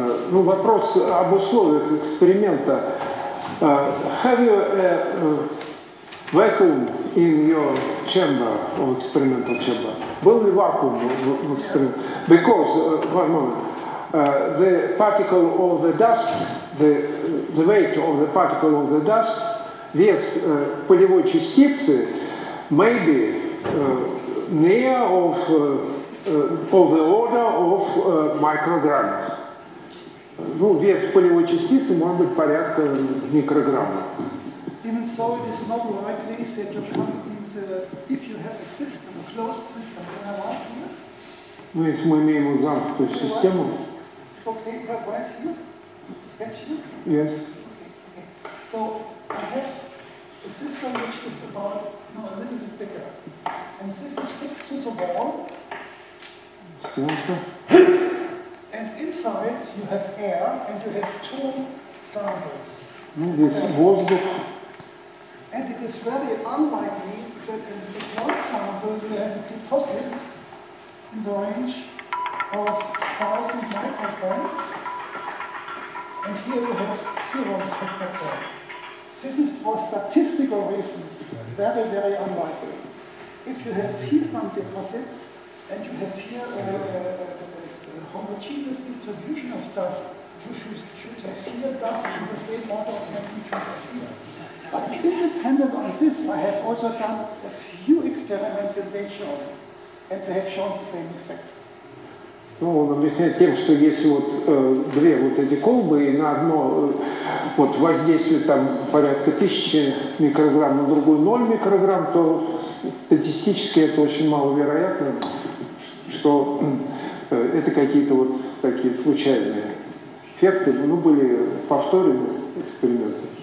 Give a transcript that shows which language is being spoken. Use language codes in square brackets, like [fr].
[ru] Ну, вопрос об условиях эксперимента. [en] Have you a vacuum in your chamber or experimental chamber? [ru] Был ли вакуум в эксперименте? [en] Because, one moment, the particle of the dust, the weight of the particle of the dust, [ru] вес полевой частицы, [en] maybe near of of the order of micrograms. [ru] Ну, вес полевой частицы может быть порядка микрограмма. [en] Even so, it is not likely that you come into, if you have a system, a closed system, then I want to. [ru] Ну, если мы имеем вот замкнутую систему. [en] It's okay, right here? Sketch here? Yes. Okay. So, I have a system which is about, no, a little bit bigger. And this is fixed to the wall. [ru] Съемка. [en] And inside you have air, and you have two samples. [ru] Ну, здесь воздух. [en] And it is very unlikely that in one sample you have a deposit in the range of 1,000 microgram, and here you have 0 microgram. This is for statistical reasons very, very unlikely. If you have here some deposits, and you have here a homogeneous distribution of dust, you should have here dust in the same order of magnitude as here. But independent of this, I have also done a few experiments in Beijing, and they have shown the same effect. [ru] Ну, он объясняет тем, что если вот две вот эти колбы, и на одно вот воздействие там порядка 1000 микрограмм, на другую 0 микрограмм, то статистически это очень маловероятно, что это какие-то вот такие случайные эффекты, ну, были повторены эксперименты.